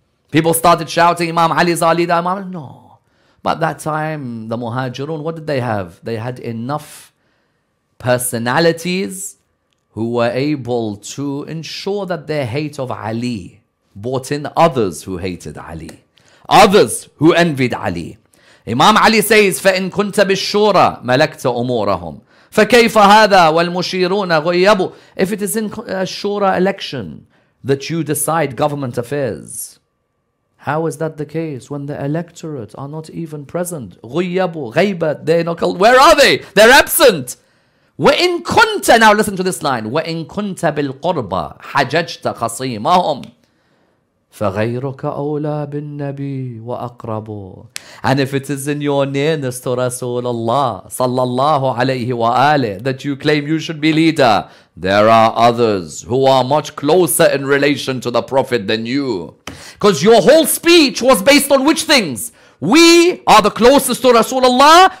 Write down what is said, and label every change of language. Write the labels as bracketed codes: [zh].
[en] People started shouting, Imam Ali is our leader. Imam Ali, no. But that time, the Muhajirun, what did they have? They had enough personalities who were able to ensure that their hate of Ali brought in others who hated Ali. Others who envied Ali. Imam Ali says, [ar] فَإِن كُنْتَ بِالشُّورَ مَلَكْتَ أُمُورَهُمْ فَكَيْفَ هَذَا وَالْمُشِيرُونَ غُيَّبُوا. [en] If it is in a shura election that you decide government affairs, how is that the case when the electorate are not even present? [ar] غُيَّبُوا, غَيْبَت, [en] they're not called. Where are they? They're absent. [ar] وَإِن كُنْتَ, [en] now listen to this line, [ar] وَإِن كُنْتَ بِالْقُرْبَ حَجَجْتَ خَصِيمَهُمْ. فَغَيْرُكَ أَوْلَى بِالنَّبِيِّ وَأَقْرَبُ. [en] And if it is in your nearness to Rasulullah sallallahu alayhi wa alayhi that you claim you should be leader, there are others who are much closer in relation to the Prophet than you. Because your whole speech was based on which things? We are the closest to Rasulullah.